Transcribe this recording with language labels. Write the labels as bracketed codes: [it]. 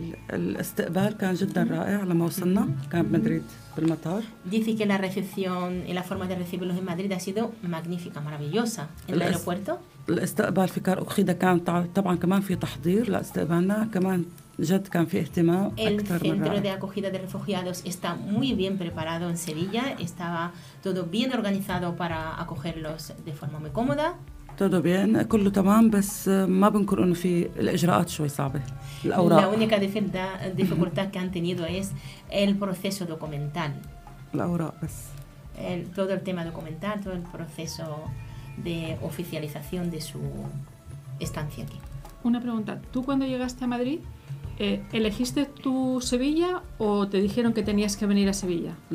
[ar] الاستقبال كان جدا رائع لما وصلنا، كان بمدريد بالمطار. [es] Dice que la recepción y la forma de recibirlos en Madrid ha sido magnífica, maravillosa. En el aeropuerto. [ar] الاستقبال في كار أخيدة كان طبعا كمان في تحضير لاستقبالنا، كمان جد كان في اهتمام أكثر من رائع. [es] El centro de acogida de refugiados está muy bien preparado en Sevilla. Estaba todo bien organizado para acogerlos de forma muy cómoda. Todo bien, [ar] كله تمام، بس ما بنكر انه في الاجراءات شوي صعبه الاوراق. [es] La única dificultad que han tenido es el proceso documental. [ar] الاوراق بس. [es] Todo el tema documental, todo el proceso de oficialización de su estancia aquí. Una pregunta, ¿tú cuando llegaste a Madrid elegiste tu Sevilla o te dijeron que tenías que venir a Sevilla?